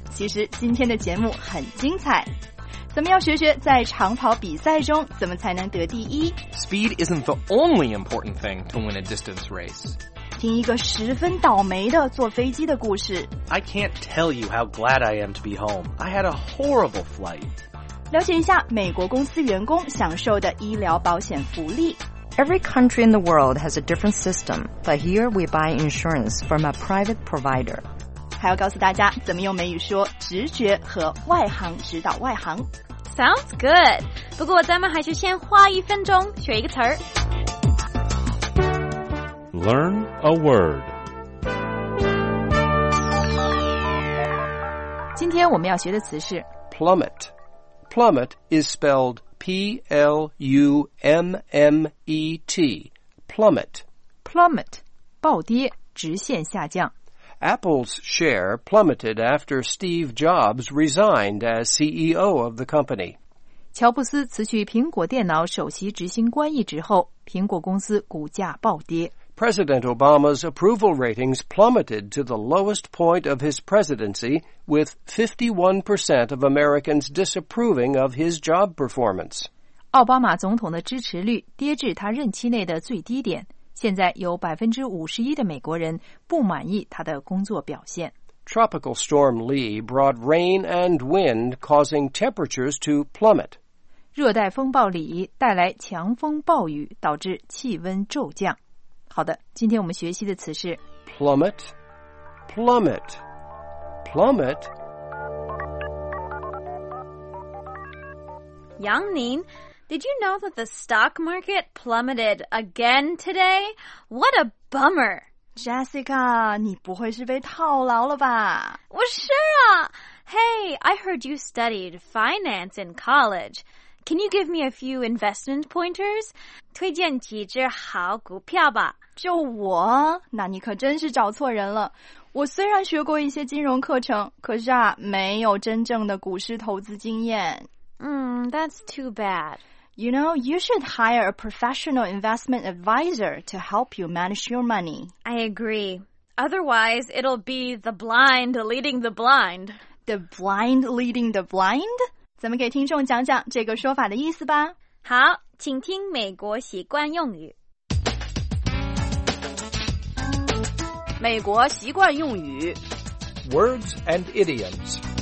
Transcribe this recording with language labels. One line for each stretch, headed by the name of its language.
Chinese: 其实今天的节目很精彩，咱们要学学在长跑比赛中怎么才能得第一。
English: Speed isn't the only important thing to win a distance race.
Chinese: 听一个十分倒霉的坐飞机的故事。
English: I can't tell you how glad I am to be home. I had a horrible flight.
Chinese: 了解一下美国公司员工享受的医疗保险福利。
English: Every country in the world has a different system, but here we buy insurance from a private provider.
Chinese: 还要告诉大家怎么用美语说直觉和外行指导外行。
English: Sounds good.
Chinese: 不过咱们还是先花一分钟学一个词儿。
English: Learn a word.
Chinese: 今天我们要学的词是
English: plummet. Plummet is spelled P-L-U-M-M-E-T, plummet.
Chinese: Plummet, 暴跌，直线下降。
English: Apple's share plummeted after Steve Jobs resigned as CEO of the company.
Chinese: 乔布斯辞去苹果电脑首席执行官一职后，苹果公司股价暴跌。
English: President Obama's approval ratings plummeted to the lowest point of his presidency, with 51% of Americans disapproving of his job performance.
Chinese: 奥巴马总统的支持率跌至他任期内的最低点，现在有 51% 的美国人不满意他的工作表现。
English: Tropical Storm Lee brought rain and wind, causing temperatures to plummet.
Chinese: 热带风暴里带来强风暴雨，导致气温骤降。好的，今天我们学习的词是
English: plummet, plummet, plummet. 杨宁, did you know that the stock market plummeted again today? What a bummer!
Chinese: Jessica, 你不会是被套牢了吧？我是啊。
English: Hey, I heard you studied finance in college. Can you give me a few investment pointers?
Chinese: 推荐几只好股票吧。就我？那你可真是找错人了。我虽然学过一些金融课程，可是啊，没有真正的股市投资经验。
English: That's too bad. You know, you should hire a professional investment advisor to help you manage your money. I agree. Otherwise, it'll be the blind leading the blind. The blind leading the blind?
Chinese: 咱们给听众讲讲这个说法的意思吧。好，请听美国习惯用语。美国习惯用语
English: Words and idioms。